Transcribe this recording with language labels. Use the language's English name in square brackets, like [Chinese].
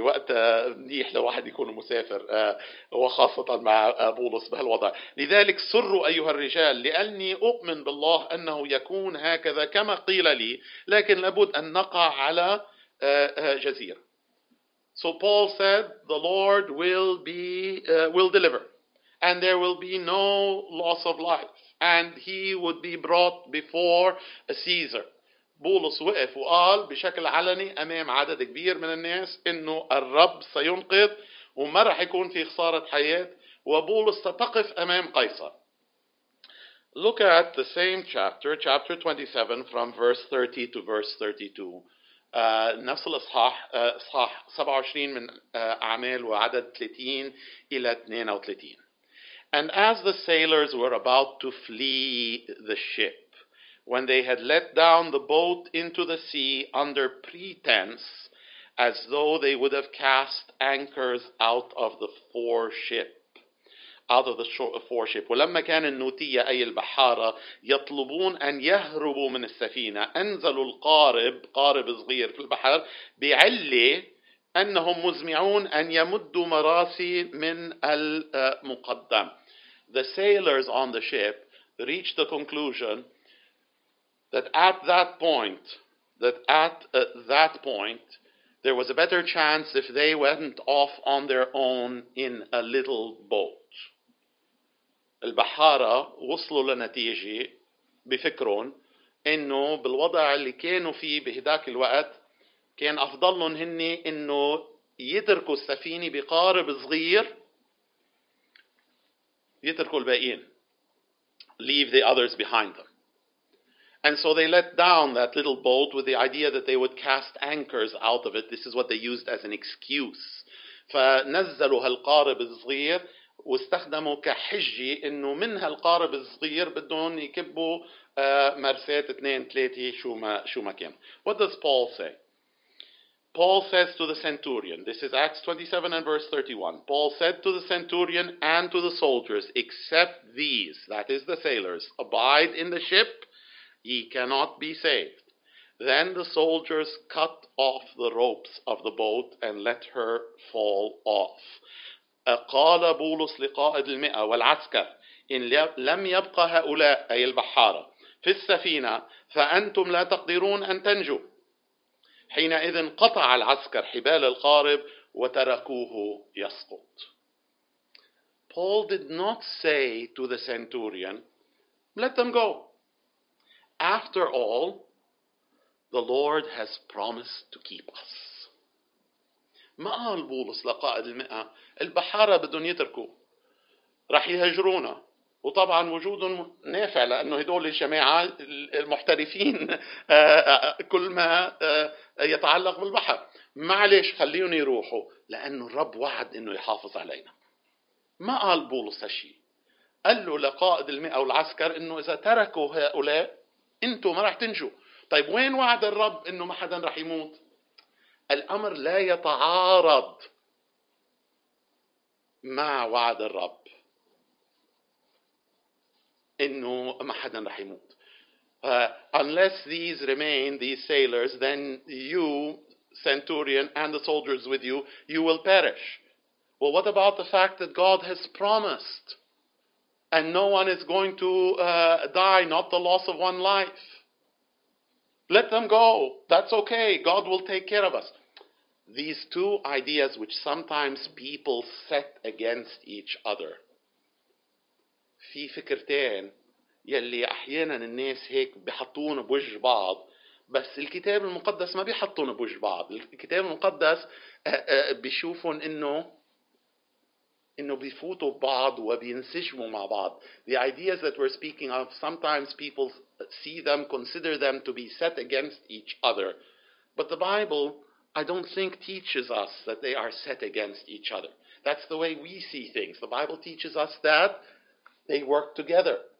[Arabic] وقت منيح لواحد يكون مسافر وخاصة مع بولس بهالوضع. لذلك سروا أيها الرجال لأني أؤمن بالله أنه يكون هكذا كما قيل لي، لكن لابد أن نقع على جزيرة. [English] So Paul said the Lord will be will deliver and there will be no loss of life and he would be brought before Caesar. [Arabic] بولس وقف وقال بشكل علني أمام عدد كبير من الناس إنه الرب سينقذ وما رح يكون في خسارة حياة وبولس ستقف أمام قيصر. [English] Look at the same chapter, chapter 27, from verse 30 to verse 32. [Arabic] نفس الإصحاح 27 من أعمال وعدد 30 إلى 32. [English] And as the sailors were about to flee the ship, when they had let down the boat into the sea under pretense, as though they would have cast anchors out of the foreship, out of the foreship. [Arabic] ولما كان النوتية أي البحارة يطلبون أن يهربوا من السفينة أنزلوا القارب قارب صغير في البحر بعلة أنهم مزمعون أن يمدوا مراسي من المقدم. [English] The sailors on the ship reached the conclusion that at that point, there was a better chance if they went off on their own in a little boat. [Arabic] البحارة وصلوا لنتيجة بفكرهم إنه بالوضع اللي كانوا فيه بهداك الوقت كان أفضلهم هني إنه يتركوا السفينة بقارب صغير يتركوا الباقيين. [English] Leave the others behind them. And so they let down that little boat with the idea that they would cast anchors out of it. This is what they used as an excuse. [Arabic] فنزلوا هالقارب الصغير واستخدموا كحجة إنه من هالقارب الصغير بدون يكبوا مرسات اثنين ثلاثة شو ما كان. [English] What does Paul say? Paul says to the centurion, this is Acts 27 and verse 31. Paul said to the centurion and to the soldiers, except these, that is the sailors, abide in the ship, ye cannot be saved. Then the soldiers cut off the ropes of the boat and let her fall off. [Arabic] قال بولس لقائد المئة والعسكر إن لم يبقى هؤلاء أي البحارة في السفينة فأنتم لا تقدرون أن تنجوا. حينئذ قطع العسكر حبال القارب وتركوه يسقط. Paul did not say to the centurion, let them go. After all, the Lord has promised to keep us. ما قال بولس لقائد المئة البحارة بدون يتركوا رح يهجرونا. وطبعا وجود نافع لأنه هدول الجماعة المحترفين كل ما يتعلق بالبحر. معلش خليهم يروحوا لأنه الرب وعد أنه يحافظ علينا. ما قال بولس هالشي. قال له لقائد المئة والعسكر أنه إذا تركوا هؤلاء أنتوا ما رح تنجوا. طيب وين وعد الرب أنه ما حدا رح يموت؟ الأمر لا يتعارض مع وعد الرب إنه ما حدا رح يموت. [English] Unless these remain, these sailors, then you, centurion, and the soldiers with you, you will perish. Well, what about the fact that God has promised and no one is going to die, not the loss of one life? Let them go. That's okay. God will take care of us. These two ideas which sometimes people set against each other. [Arabic] في فكرتين يلي أحيانا الناس هيك بحطون بوجه بعض بس الكتاب المقدس ما بيحطون بوجه بعض. الكتاب المقدس بيشوفون إنه بيفوتوا بعض وبينسجموا مع بعض. [English] The ideas that we're speaking of, sometimes people see them, consider them to be set against each other. But the Bible, I don't think, teaches us that they are set against each other. That's the way we see things. The Bible teaches us that they work together.